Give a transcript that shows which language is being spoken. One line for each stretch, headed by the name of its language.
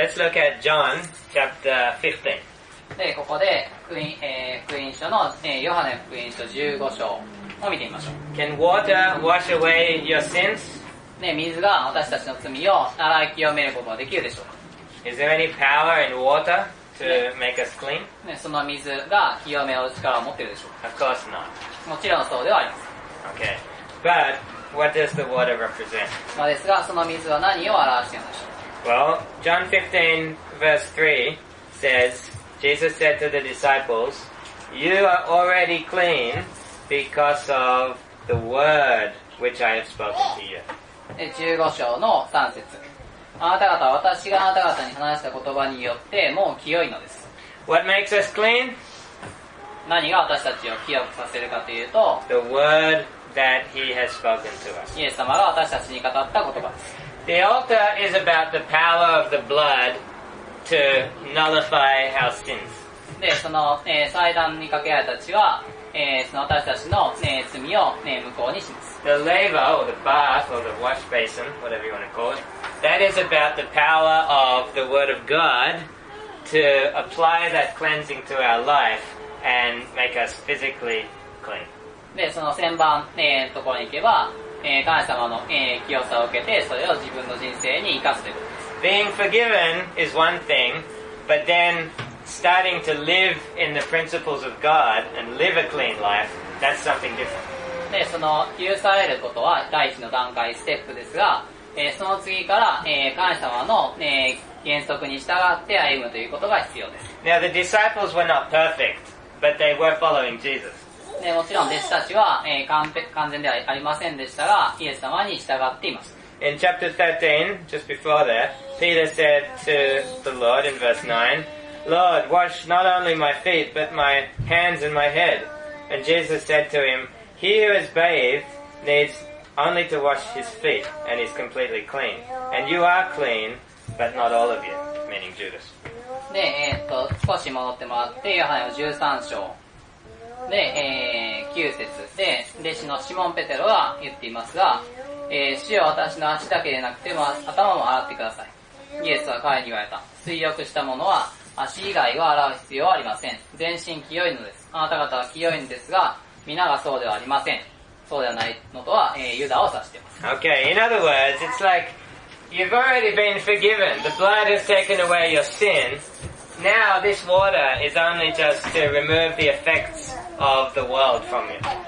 English: Let's look at John chapter 15.
Japanese: で、ここで福音書の、ヨハネ福音書15章を見てみましょう。
English: Can water wash away your sins?
Japanese: で、水が私たちの罪を洗い清めることができるでしょうか。
English: Is there any power in water to make us clean?
Japanese: で、その水が清めの力を持っているでしょうか。
English: Of course not.
Japanese: もちろんそうではあります。
English: Okay, but what does the water represent?
Japanese: まあですが、その水は何を表しているんでしょう。
English: Well, John 15 verse 3 says, Jesus said to the disciples, You are already clean because of the word which I have spoken to you.
Japanese: 15章の3節。あなた方は私があなた方に話した言葉によってもう清いのです。
English: What makes us clean?
Japanese: 何が私たちを清くさせるかというと、
English: The word that he has spoken to us.
Japanese: イエス様が私たちに語った言葉です。
English: The altar is about the power of the blood to nullify our sins.
Japanese: で、その、祭壇にかけられた血は、その私たちの、罪を、無効にします。
English: The laver, or the bath, or the wash basin, whatever you want to call it, that is about the power of the word of God to apply that cleansing to our life. And make us physically clean.
Japanese: で、その洗盤のところに行けば、神様の、清さを受けて、それを自分の人生に生かすということです。
English: Being forgiven is one thing, but then starting to live in the principles of God and live a clean life, that's something different.
Japanese: で、その許されることは第一の段階、ステップですが、その次から、神様の、原則に従って歩むということが必要です。
English: Now the disciples were not perfect. But they were following Jesus.
Japanese: で、もちろん弟子たちは、完全ではありませんでしたが、イエス様に従っています。
English: In chapter 13, just before that, Peter said to the Lord in verse 9, Lord, wash not only my feet, but my hands and my head. And Jesus said to him, He who is bathed needs only to wash his feet, and he's completely clean. And you are clean, but not all of you, meaning Judas.
Japanese: で、少し戻ってもらって、ヨハネの13章。で、9節で、弟子のシモン・ペテロが言っていますが、主よ私の足だけでなくても頭も洗ってください。イエスは彼に言われた。水浴したものは足以外は洗う必要はありません。全身清いのです。あなた方は清いのですが、皆がそうではありません。そうではないのとは、ユダを指しています。
English: Okay, in other words, it's like,You've already been forgiven. The blood has taken away your sin. Now this water is only just to remove the effects of the world from you.